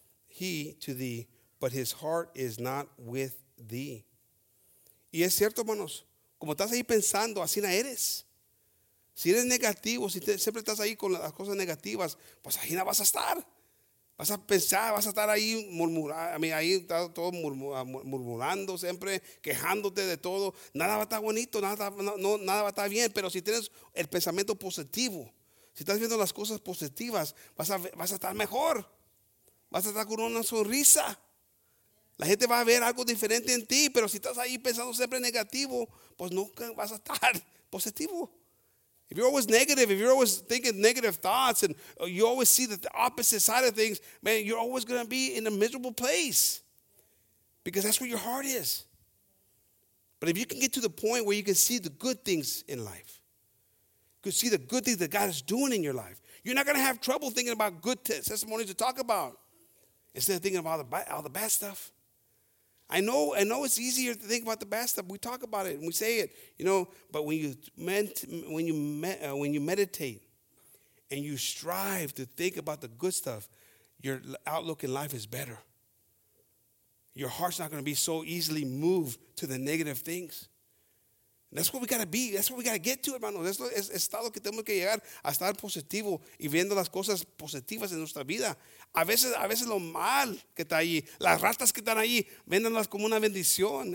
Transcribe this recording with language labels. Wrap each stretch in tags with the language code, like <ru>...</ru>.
<en>he to thee, but his heart is not with thee.</en> <es>Y es cierto, hermanos, como estás ahí pensando, así no eres. Si eres negativo, si te, siempre estás ahí con las cosas negativas, pues ahí no vas a estar. Vas a pensar, vas a estar ahí murmurando, ahí está todo murmurando siempre, quejándote de todo. Nada va a estar bonito, nada va a estar bien, pero si tienes el pensamiento positivo, si estás viendo las cosas positivas, vas a estar mejor. Vas a estar con una sonrisa. La gente va a ver algo diferente en ti, pero si estás ahí pensando siempre negativo, pues nunca vas a estar positivo.</es> <en>If you're always negative, if you're always thinking negative thoughts and you always see the opposite side of things, man, you're always going to be in a miserable place because that's where your heart is. But if you can get to the point where you can see the good things in life, you can see the good things that God is doing in your life, you're not going to have trouble thinking about good testimonies to talk about instead of thinking about all the bad stuff. I know it's easier to think about the bad stuff. We talk about it and we say it, you know. But when you meditate and you strive to think about the good stuff, your outlook in life is better. Your heart's not going to be so easily moved to the negative things. That's what we got to be. That's what we got to get to, hermano.</en> <es>Es estar lo que tenemos que llegar a estar positivo y viendo las cosas positivas en nuestra vida. A veces lo mal que está allí, las ratas que están allí, véndolas como una bendición.</es>